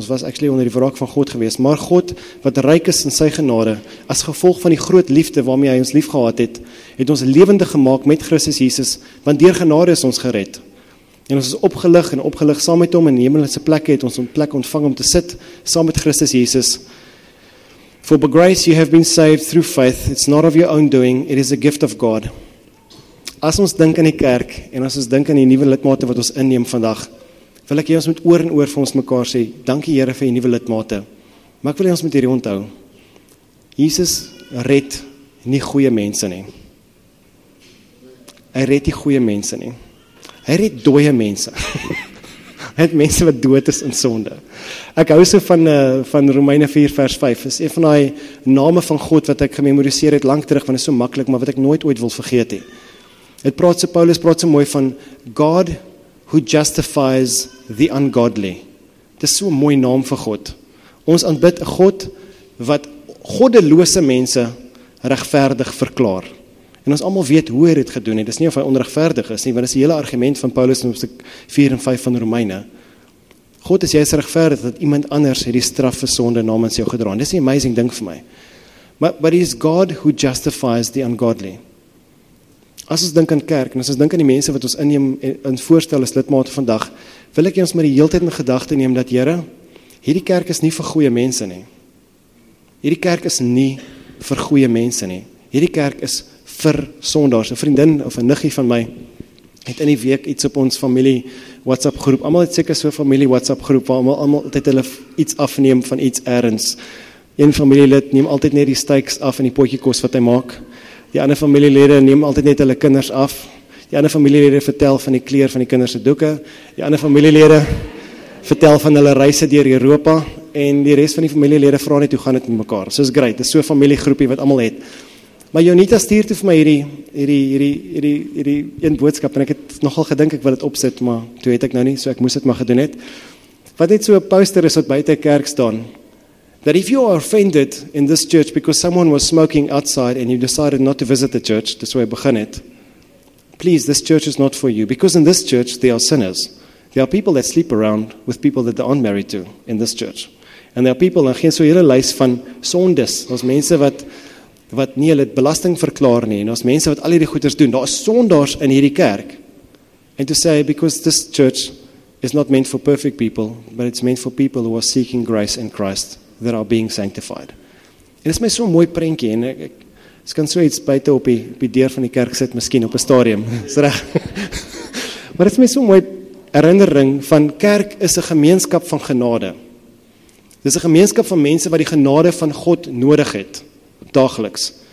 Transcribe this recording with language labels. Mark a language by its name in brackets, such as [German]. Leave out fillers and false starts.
[Afrikaans] Ons was actually onder die wraak van God gewees. Maar God, wat ryk is in sy genade, as gevolg van die groot liefde waarmee hy ons lief gehad het, het ons lewendig gemaak met Christus Jesus, want deur genade is ons gered. En ons is opgelig en opgelig saam met hom in hemelse plekke het ons 'n plek ontvang om te sit saam met Christus Jesus. [English] For by grace you have been saved through faith. It's not of your own doing. It is a gift of God. [Afrikaans] As ons dink aan die kerk en as ons dink aan die nuwe lidmate wat ons inneem vandag, wil ek hê ons moet oor en oor vir ons mekaar sê, dankie Here vir die nuwe lidmate. Maar ek wil hê ons moet hierdie onthou. Jesus red nie goeie mense nie. Hy red nie goeie mense nie. Hy red dooie mense. Hy het mense wat dood is in sonde. Ek hou so van Romeine 4 vers 5. Dis een van daai name van God wat ek gememoriseer het lank terug, want dit is so maklik, maar wat ek nooit ooit wil vergeet nie. Dit praat so, Paulus praat so mooi van God [English] who justifies the ungodly. [Afrikaans] Dis so 'n mooi naam vir God. Ons aanbid 'n God wat goddelose mense regverdig verklaar. En ons almal weet hoe hy dit gedoen het. Dis nie of hy onregverdig is nie, want dis die hele argument van Paulus in hoofstuk 4 en 5 van Romeine. God is juist regverdig dat iemand anders het die straf vir sonde namens jou gedra. Dis 'n amazing ding vir my. [English] But it is God who justifies the ungodly. [Afrikaans] As ons dink aan kerk en as ons dink aan die mense wat ons inneem en voorstel as lidmate vandag, wil ek ons maar die hele tyd in gedagte neem dat Here, hierdie kerk is nie vir goeie mense nie. Hierdie kerk is nie vir goeie mense nie. Hierdie kerk is vir sondaars. 'N vriendin of 'n niggie van my het in die week iets op ons familie WhatsApp groep. Almal het seker so 'n familie WhatsApp groep waar almal altyd hulle iets afneem van iets ergens. Een familielid neem altyd net die steaks af en die potjie kos wat hy maak. Die ander familielede neem altyd net hulle kinders af. Die ander familielede vertel van die kleer van die kinders se doeke. Die ander familielede vertel van hulle reise deur Europa en die res van die familielede vra net hoe gaan dit met mekaar. So is great. Dis so 'n familiegroepie wat almal het. Maar Jonita stuur toe vir my hierdie een boodskap en ek het nogal gedink ek wil dit opsit, maar toe het ek nou nie, so ek moes dit maar gedoen het. Wat net so 'n poster is wat buite 'n kerk staan. [English] That if you are offended in this church because someone was smoking outside and you decided not to visit the church, [Afrikaans] dis waar hy begin het. [English] Please, this church is not for you because in this church there are sinners. There are people that sleep around with people that they aren't married to in this church. And there are people, [Afrikaans] en geen so hele lys van sondes, ons mense wat nie hulle belasting verklaar nie, en ons mense wat al hierdie goeders doen, daar is sondaars in hierdie kerk. [English] And to say, because this church is not meant for perfect people, but it's meant for people who are seeking grace in Christ, that are being sanctified. [Afrikaans] En dit is my so'n mooi prentjie, en ek kan so iets buiten op die deur van die kerk sit, miskien op 'n stadium, is reg. Maar dit is my so'n mooi herinnering van kerk is 'n gemeenskap van genade. Dit is 'n gemeenskap van mense wat die genade van God nodig het. Dagliks.